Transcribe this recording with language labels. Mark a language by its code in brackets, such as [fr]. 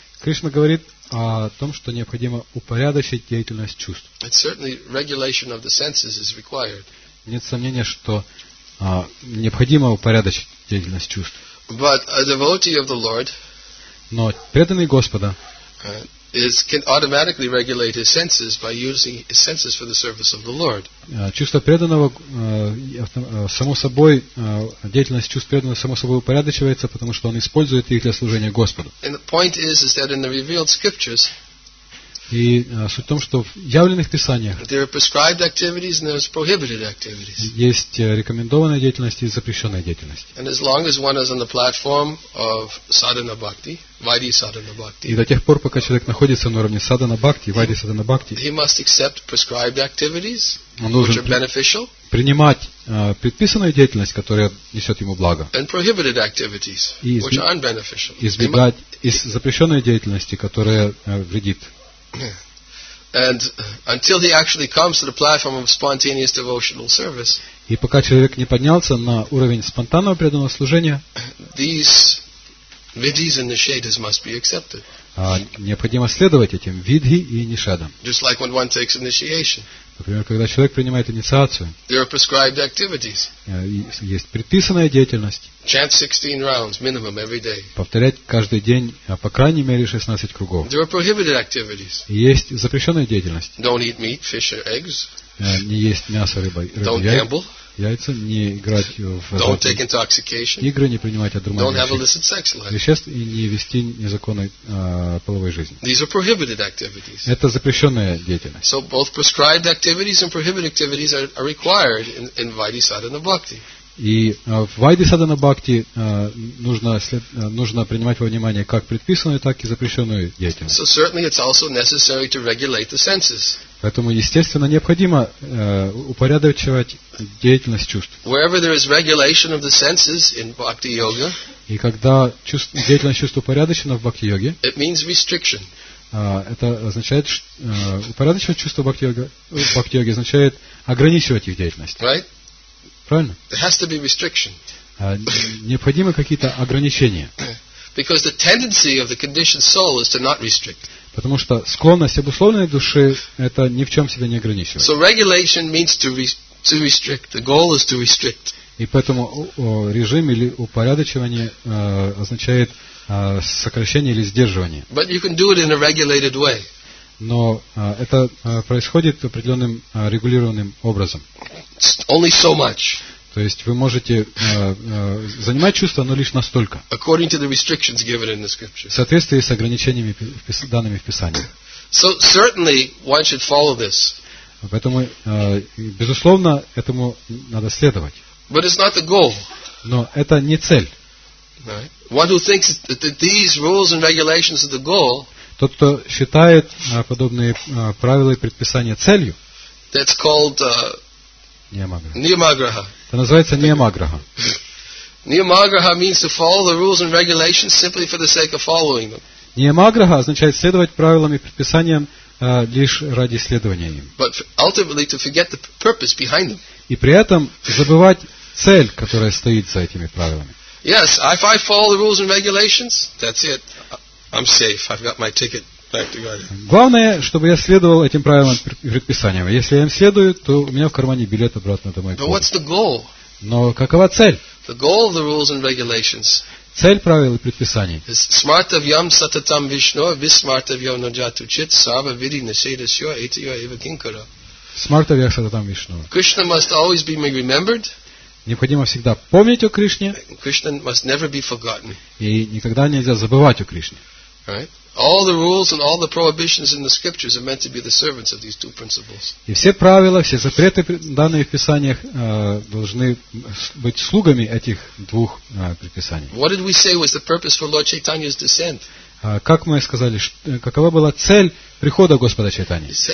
[ru] Кришна говорит о том, что необходимо упорядочить деятельность чувств. [en] And certainly regulation of the senses is required. [ru] Нет сомнения, что необходимо упорядочить деятельность чувств. [en] But a devotee of the Lord, [ru] но преданный Господа, [en] can automatically regulate his senses by using his senses for the service of the Lord. [ru] Чувство преданного само собой деятельность чувств преданного само собой упорядочивается, потому что он использует их для служения Господу. [en] And the point is that in the revealed scriptures, [ru] и суть в том, что в явленных писаниях [en] there are prescribed activities and there are prohibited activities. [ru] Есть рекомендованная деятельность и запрещенная деятельность. [en] And as long as one is on the platform of sadhana bhakti, vaidhi sadhana bhakti, [ru] и до тех пор, пока человек находится на уровне sadhana bhakti, vaidhi sadhana bhakti, [en] he must accept prescribed activities, which are beneficial, [ru] принимать предписанную деятельность, которая несет ему благо, [en] and prohibited activities, which are unbeneficial, [ru] избегать из запрещенной деятельности, которая вредит. [en] And until he actually comes to the platform of spontaneous devotional service, [ru] и пока человек не поднялся на уровень спонтанного преданного служения, [en] these vidhis and nishadhas must be accepted. [ru] Необходимо следовать этим видхи и нишадам. [en] Just like when one takes initiation. [ru] Например, когда человек принимает инициацию. [en] There are prescribed activities. [ru] Есть предписанная деятельность. [en] Chant 16 rounds minimum every day. [ru] Повторять каждый день по крайней мере 16 кругов. [en] There are prohibited activities. [ru] Есть запрещенная деятельность. [en] Don't eat meat, fish or eggs. [ru] Не есть мясо, рыба, [en] Don't gamble. [ru] Яйца, не играть в [en] Don't take intoxication. [ru] Игры, не принимать одурманивающие веществ и не вести незаконной половой жизни. [en] These are prohibited activities. [ru] Это запрещенная деятельность. [en] So both prescribed activities and prohibited activities are required in Vaidhi Sadhana Bhakti. [ru] И в Вайди Садхана Бхакти нужно принимать во внимание как предписанную, так и запрещенную деятельность. [en] So certainly it's also necessary to regulate the senses. [ru] Поэтому, естественно, необходимо упорядочивать деятельность чувств. [en] Wherever there is regulation of the senses in Bhakti Yoga, [ru] и когда деятельность чувств упорядочена в Бхакти-йоге, [en] it means restriction. [ru] Это означает, упорядочивать чувства в Бхакти-йоге означает ограничивать их деятельность. [en] Right? [ru] Правильно? [en] There has to be restriction. [ru] Необходимы какие-то ограничения. [en] Because the tendency of the conditioned soul is to not restrict. [ru] Потому что склонность обусловленной души это ни в чем себя не ограничивает. [en] So regulation means to restrict. The goal is to restrict. [ru] И поэтому режим или упорядочивание означает сокращение или сдерживание. [en] But you can do it in a regulated way. [ru] Но это происходит определенным регулированным образом. [en] Only so much. [ru] То есть вы можете занимать чувства, но лишь настолько. [en] According to the restrictions given in the scripture. [ru] В соответствии с ограничениями, данными в Писании. [en] So certainly one should follow this. [ru] Поэтому, безусловно, этому надо следовать. [en] But it's not the goal. [ru] Но это не цель. [en] Right. One who thinks that these rules and regulations are the goal, [ru] тот, кто считает подобные правила и предписания целью, [en] that's called, Niyamagraha. [ru] Это называется Niyamagraha. [en] Niyamagraha means to follow the rules and regulations simply for the sake of following them. [ru] Niyamagraha означает следовать правилам и предписаниям лишь ради следования им. [en] But ultimately to forget the purpose behind them. [ru] И при этом забывать цель, которая стоит за этими правилами. [en] Yes, if I follow the rules and regulations, that's it. I'm safe. I've got my ticket. Thank you, God. [ru] Главное, чтобы я следовал этим правилам и предписаниям. Если я им следую, то у меня в кармане билет обратно домой. [en] But what's the goal? [ru] Но какова цель? [en] The goal of the rules and regulations. [ru] Цель правил и предписаний. [sa] Is smartavyam satatam vishno vismartavyam najatu chit sava vidhi nishedasyo etiyo evakinkara. Smartavyam satatam vishno. [en] Krishna must always be remembered. [ru] Необходимо всегда помнить о Кришне. [en] Krishna must never be forgotten. [ru] И никогда нельзя забывать о Кришне. [en] Right? All the rules and all the prohibitions in the scriptures are meant to be the servants of these two principles. [ru] И все правила, все запреты, данные в писаниях, должны быть слугами этих двух предписаний. [en] What did we say was the purpose for Lord Chaitanya's descent? [ru] Как мы сказали, какова была цель прихода Господа Чайтани?